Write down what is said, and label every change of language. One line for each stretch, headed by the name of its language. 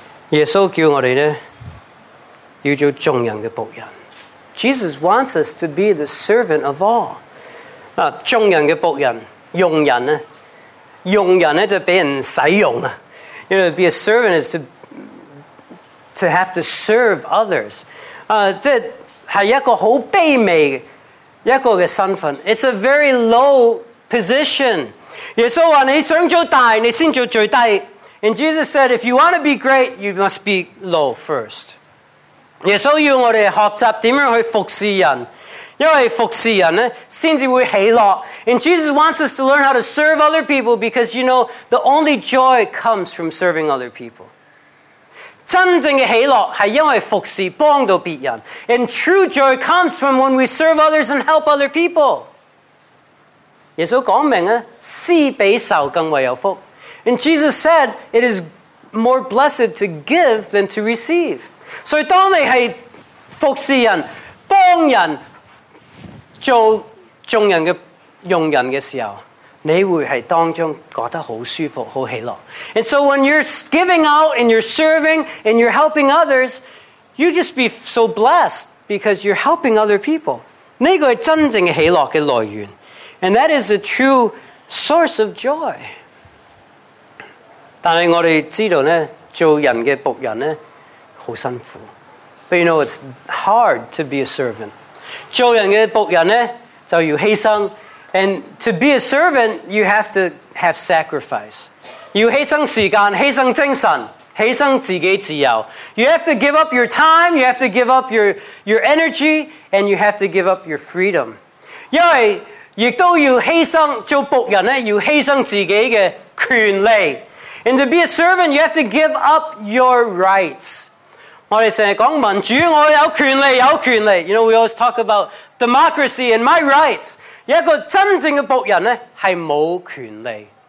Chinese: 耶稣叫我们呢要做众人的仆人。
English: Jesus wants us to be the servant of all.
Chinese: 众人的仆人，用人呢，用人呢就被人使用了。
English: You know, to be a servant is to have to serve others.
Chinese: 这是一个很卑微一个的身份。
English: It's a very low position.
Chinese: 耶稣说你想做大，你先做最低。
English: And Jesus said, if you want to be great, you must be low first.
Chinese: 耶稣要我们学习怎样去服侍人，因为服侍人才会喜乐。
English: And Jesus wants us to learn how to serve other people because, you know, the only joy comes from serving other people.
Chinese: 真正的喜乐是因为服侍帮到别人。
English: And true joy comes from when we serve others and help other people.
Chinese: 耶稣说明施比受更为有福。
English: And Jesus said, it is more blessed to give than to receive.
Chinese: So, 当你是服侍人、帮人、做众人的用人的时候，你会是当中觉得很舒服、很喜乐。
English: And so, when you're giving out and you're serving and you're helping others, you just be so blessed because you're helping other people.
Chinese: 那个是真正的喜乐的来源。
English: And that is a true source of joy.
Chinese: 但是我们知道呢，做人的仆人呢，好辛苦。
English: But you know it's hard to be a servant.
Chinese: 做人的仆人呢，就要牺牲。
English: And to be a servant, you have to have sacrifice.
Chinese: 要牺牲时间，牺牲精神，牺牲自己自由。
English: You have to give up your time, you have to give up your energy, and you have to give up your freedom.
Chinese: 因为亦都要牺牲做仆人呢，要牺牲自己的权利。
English: And to be a servant, you have to give up your rights.
Chinese: 我们常说民主，我有权利，有权利。
English: You know, we always talk about democracy and my rights.
Chinese: 一个真正的仆人呢，是没权利。